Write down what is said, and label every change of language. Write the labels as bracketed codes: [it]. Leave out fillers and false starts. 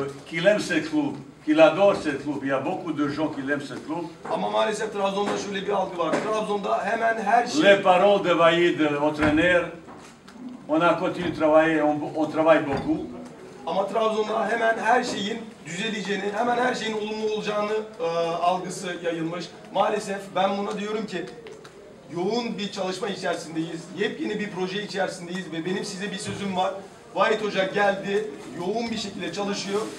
[fr] Qu'il aime ce club, qu'il adore ce club. Il y a beaucoup de gens qui aiment ce club. [tr] Ama maalesef Trabzon'da şöyle bir algı var. Trabzon'da hemen her şey. [fr] Les paroles de Vahid, entraîneur. On a continué travailler, on travaille beaucoup. [tr] Ama Trabzon'da hemen her şeyin düzeleceğini, hemen her şeyin olumlu olacağını algısı yayılmış. Maalesef ben buna diyorum ki yoğun bir çalışma içerisindeyiz. Yepyeni bir proje içerisindeyiz ve benim size bir sözüm var. Vahit Hoca geldi, yoğun bir şekilde çalışıyor.